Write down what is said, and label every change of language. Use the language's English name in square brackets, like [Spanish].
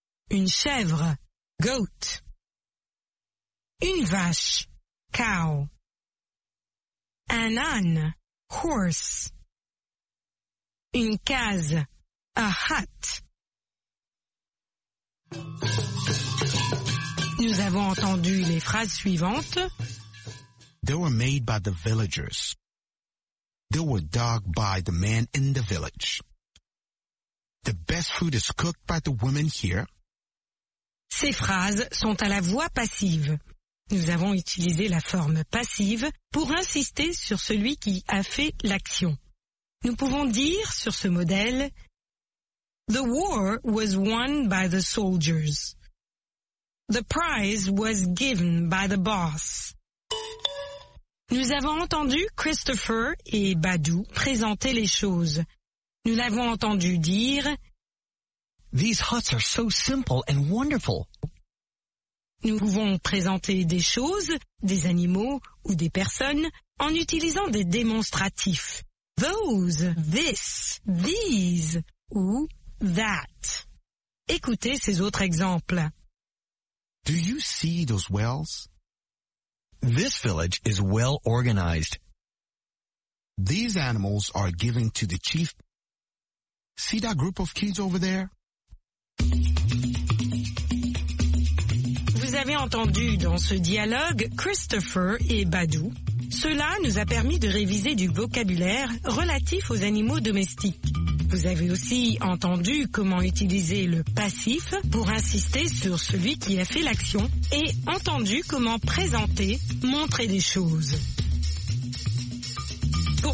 [French] Une chèvre, goat. Une vache, cow. Un âne, horse. Une case, a hut. Nous avons entendu les phrases suivantes. [English] They were made by the villagers. They were dug by the men in the village. The best food is cooked by the women here. [French] Ces phrases sont à la voix passive. Nous avons utilisé la forme passive pour insister sur celui qui a fait l'action. Nous pouvons dire sur ce modèle, [English] The war was won by the soldiers. The prize was given by the boss. [French] Nous avons entendu Christopher et Badou présenter les choses. Nous l'avons entendu dire [English] These huts are so simple and wonderful. [French] Nous pouvons présenter des choses, des animaux ou des personnes en utilisant des démonstratifs. [English] Those, this, these ou that. [French] Écoutez ces autres exemples. [English] Do you see those wells? This village is well organized. These animals are given to the chief. See that group of kids over there? [French] Vous avez entendu dans ce dialogue Christopher et Badou. Cela nous a permis de réviser du vocabulaire relatif aux animaux domestiques. Vous avez aussi entendu comment utiliser le passif pour insister sur celui qui a fait l'action et entendu comment présenter, montrer des choses. Pour